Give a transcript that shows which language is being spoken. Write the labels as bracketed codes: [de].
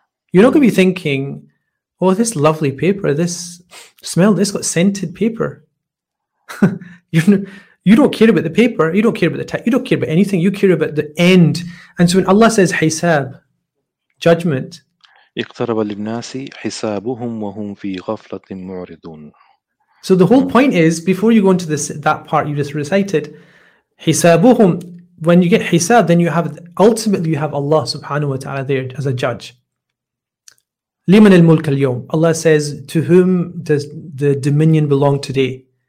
[en] You're not going to be thinking, oh, this lovely paper, this smell, this got scented paper. You don't care about the paper. You don't care about the text. You don't care about anything. You care about the end. And so when Allah says hisab, judgment, [ar] اقترب للناس حسابهم وهم في غفلة معرضون. [en] So the whole point is, before you go into this, that part you just recited, حسابهم, when you get حساب, then you have, ultimately you have Allah subhanahu wa ta'ala there as a judge. [ar] لمن الملك اليوم? [en] Allah says, to whom does the dominion belong today?